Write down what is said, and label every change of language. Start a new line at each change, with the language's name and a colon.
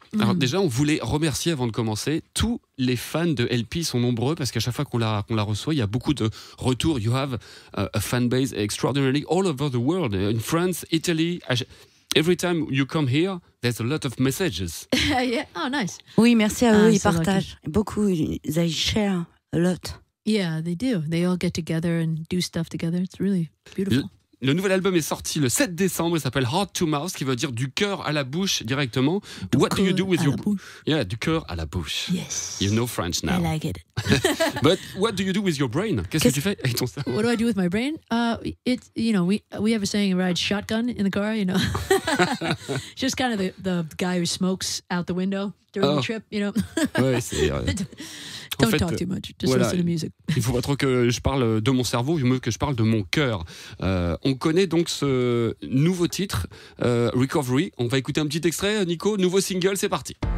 French: Alors déjà, on voulait remercier avant de commencer, tous les fans de LP sont nombreux parce qu'à chaque fois qu'on la reçoit, il y a beaucoup de retours.
English: You have a fan base extraordinarily all over the world, in France, Italy. Every time you come here, there's a lot of messages. Yeah. Oh, nice.
French: Oui, merci à eux, ils partagent. Lucky. Beaucoup,
English: they share a lot. Yeah, they do. They all get together and do stuff together. It's really beautiful.
French: Le nouvel album est sorti le 7 décembre, il s'appelle Heart to Mouth, qui veut dire du cœur à la bouche directement.
English: What do you do with your brain?
French: Yeah, du cœur à la bouche.
English: Yes. You know French now. I like it. But what do you do with your brain?
French: Qu'est-ce que tu fais avec ton cerveau?
English: What do I do with my brain? We have a saying, ride shotgun in the car, you know. Just kind of the guy who smokes out the window during the trip, you know.
French: Ouais, c'est vrai.
English: Don't talk too much, just listen to music.
French: Il ne faut pas trop que je parle de mon cerveau, mieux que je parle de mon cœur. On connaît donc ce nouveau titre, Recovery. On va écouter un petit extrait, Nico, nouveau single, c'est parti.